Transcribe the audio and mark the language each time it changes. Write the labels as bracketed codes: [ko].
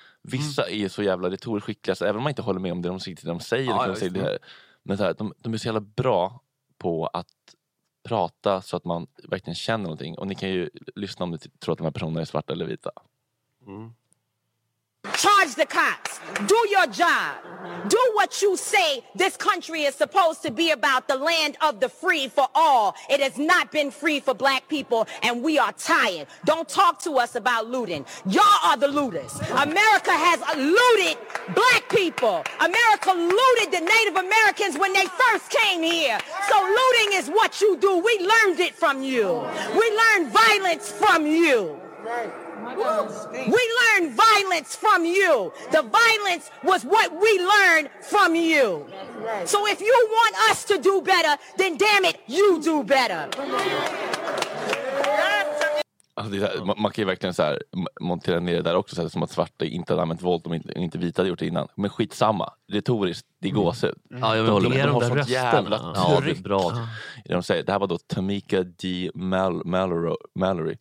[sv] Vissa är så jävla retorskickliga, så även om man inte håller med om det de säger. Men så här, de är så jävla bra på att prata så att man verkligen känner någonting. Och ni kan ju lyssna om ni tror att de här personerna är svarta eller vita. [en] Charge the cops. Do your job. Do what you say this country is supposed to be about, the land of the free for all. It has not been free for black people, and we are tired. Don't talk to us about looting. Y'all are the looters. America has looted black people. America looted the Native Americans when they first came here. So looting is what you do. We learned it from you. We learned violence from you. We learned violence from you. The violence was what we learned from you. So if you want us to do better, then damn it, you do better. [sv] Alltså, man kan ju verkligen så här montera ner det där också, så här, som att svarta inte hade använt våld, inte vita hade gjort det innan. Men skitsamma, retoriskt, det går så ut. Ja, jag håller med. De har sånt jävla tryck. Ja, det är bra. De säger, det här var då Tamika D. Mallory.